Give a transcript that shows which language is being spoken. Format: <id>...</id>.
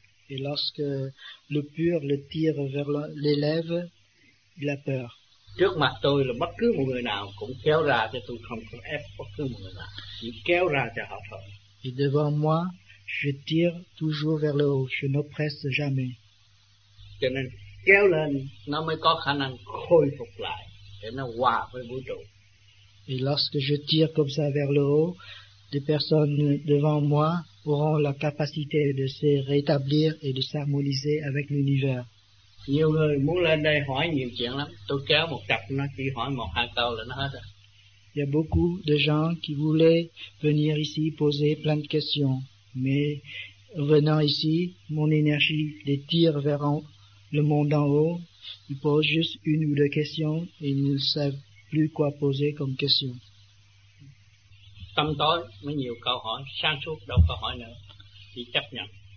<fr>Et lorsque le pur le tire vers l'élève, il a peur.</fr> <vi>Trước mặt tôi là bất cứ một người nào cũng kéo ra cho tôi, không có ép bất cứ một người nào, chỉ kéo ra cho họ thôi.</vi> <fr>Et devant moi, je tire toujours vers le haut, je n'oppresse jamais.</fr> <vi>Cho nên kéo lên, nó mới có khả năng khôi phục lại, để nó hòa với vũ trụ.</vi> <fr>Et lorsque je tire comme ça vers le haut, des personnes devant moi auront la capacité de se rétablir et de s'harmoniser avec l'univers.</fr> <vi>Nhiều người muốn lên đây hỏi nhiều chuyện lắm. Tôi kéo một cặp nó chỉ hỏi một hai câu là nó hết rồi.</vi> <fr>Il y a beaucoup de gens qui voulaient venir ici poser plein de questions, mais venant ici, mon énergie les tire vers le monde en haut. Ils posent juste une ou deux questions et ils ne savent plus quoi poser comme question.</fr> <vi>Tâm tối mới nhiều câu hỏi, sáng suốt đâu câu hỏi nữa, chỉ chấp nhận.</vi>